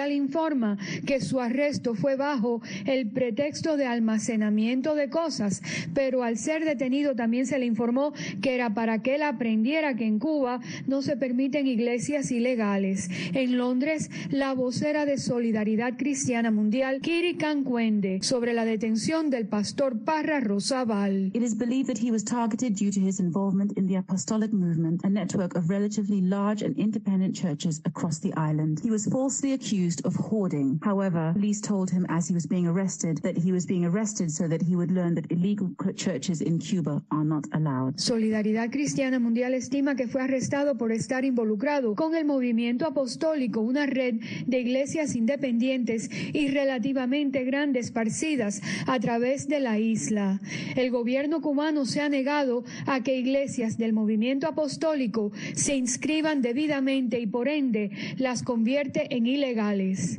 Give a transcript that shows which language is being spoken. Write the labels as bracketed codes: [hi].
[es] Oficial informa que su arresto fue bajo el pretexto de almacenamiento de cosas, pero al ser detenido también se le informó que era para que él aprendiera que en Cuba no se permiten iglesias ilegales. En Londres, la vocera de Solidaridad Cristiana Mundial, Kiri Cancuende, sobre la detención del pastor Parra Rosabal. [en] It is believed that he was targeted due to his involvement in the Apostolic Movement, a network of relatively large and independent churches across the island. He was falsely accused of hoarding. However, police told him as he was being arrested that he was being arrested so that he would learn that illegal churches in Cuba are not allowed. [es] Solidaridad Cristiana Mundial estima que fue arrestado por estar involucrado con el movimiento apostólico, una red de iglesias independientes y relativamente grandes esparcidas a través de la isla. El gobierno cubano se ha negado a que iglesias del movimiento apostólico se inscriban debidamente y por ende las convierte en ilegales.